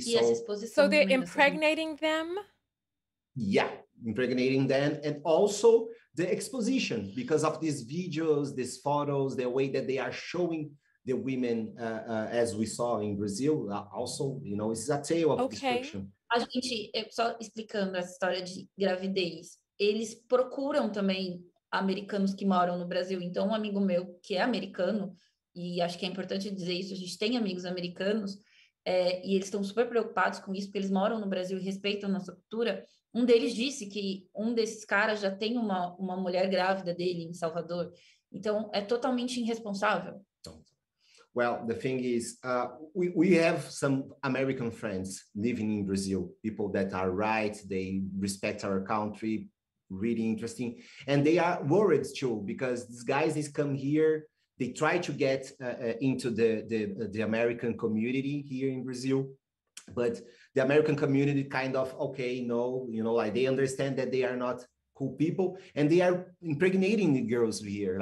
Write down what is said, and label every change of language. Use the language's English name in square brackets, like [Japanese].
[English] So they're impregnating them? Yeah, impregnating them, and also the exposition, because of these videos, these photos, the way that they are showing the women, as we saw in Brazil, also, you know, it's a tale of destruction. [Portuguese] A gente, só explicando essa história de gravidez, eles procuram também americanos que moram no Brasil. Então, um amigo meu que é americano, e acho que é importante dizer isso, a gente tem amigos americanos, é, e eles estão super preocupados com isso, porque eles moram no Brasil e respeitam a nossa cultura. Um deles disse que um desses caras já tem uma mulher grávida dele em Salvador. Então, é totalmente irresponsável. [English] Well, the thing is, we have some American friends living in Brazil, people that are right, they respect our country, really interesting. And they are worried too, because these guys come here, they try to get into the American community here in Brazil, but the American community kind of, okay, no, you know, like they understand that they are not cool people, and they are impregnating the girls here.